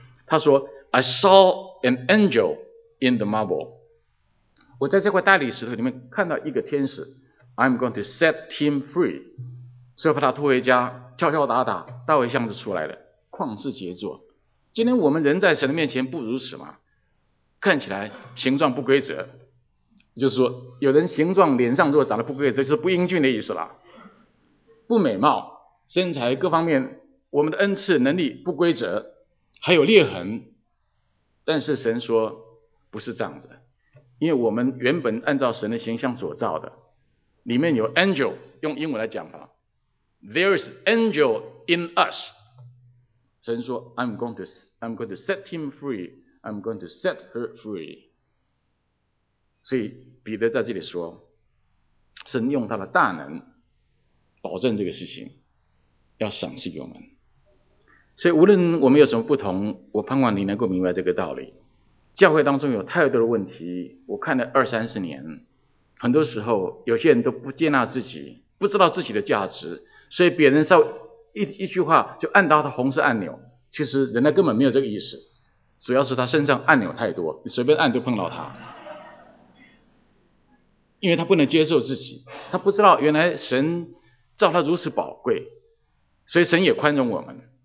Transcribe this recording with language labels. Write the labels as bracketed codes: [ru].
[en] 他说 I saw an angel in the marble， [zh] 我在这块大理石头里面看到一个天使， [en] I'm going to set him free。 [zh] 所以把他拖回家，敲敲打打，大卫像是出来了，旷世杰作。今天我们人在神的面前不如此吗？看起来形状不规则，就是说有人形状脸上如果长得不规则，就是不英俊的意思啦，不美貌，身材各方面，我们的恩赐能力不规则，还有裂痕。但是神说不是这样子，因为我们原本按照神的形象所造的，里面有 angel， 用英文来讲吧， [en] There is angel in us。 [zh] 神说 [en] I'm going to set him free， I'm going to set her free。 [zh] 所以彼得在这里说，神用他的大能保证这个事情要赏赐给我们。所以无论我们有什么不同，我盼望你能够明白这个道理。教会当中有太多的问题，我看了二三十年，很多时候有些人都不接纳自己，不知道自己的价值，所以别人稍微 一句话就按到他红色按钮，其实人家根本没有这个意思，主要是他身上按钮太多，你随便按都碰到他，因为他不能接受自己，他不知道原来神造他如此宝贵，所以神也宽容我们。